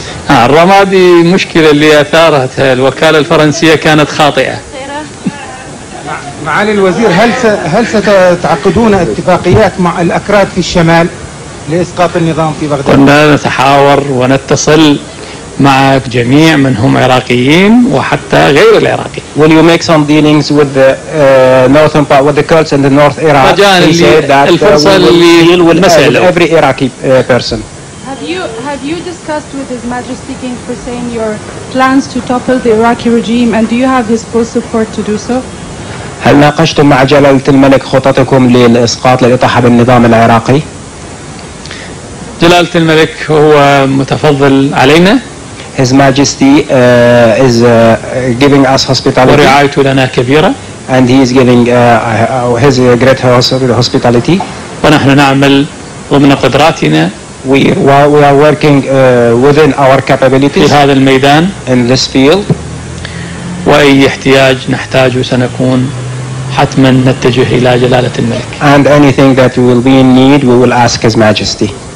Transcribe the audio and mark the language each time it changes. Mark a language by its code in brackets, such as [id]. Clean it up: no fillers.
[ar] الرمادي مشكلة اللي أثارتها الوكالة الفرنسية كانت خاطئة. معالي الوزير، هل ستعقدون اتفاقيات مع الأكراد في الشمال لإسقاط النظام في بغداد؟ كنا نتحاور ونتصل مع جميع من هم عراقيين وحتى غير العراقي. [en] Will you make some dealings with the northern part, with the Kurds and the north Iraq? He said that with every Iraqi person. Have you discussed with His Majesty King Hussein your plans to topple the Iraqi regime, and do you have his full support to do so? [ar] هل ناقشتم مع جلالة الملك خططكم للإسقاط للإطاحة بالنظام العراقي؟ جلالة الملك هو متفضل علينا. [en] His Majesty is giving us hospitality. [ar] ورعايته لنا كبيرة. [en] And he is giving his great hospitality. [ar] ونحن نعمل ضمن قدراتنا. [en] We are working within our capabilities. [ar] في هذا الميدان. [en] In this field. [ar] وأي احتياج نحتاجه سنكون حتما نتجه إلى جلالة الملك. [en] And anything that we will be in need, we will ask His Majesty.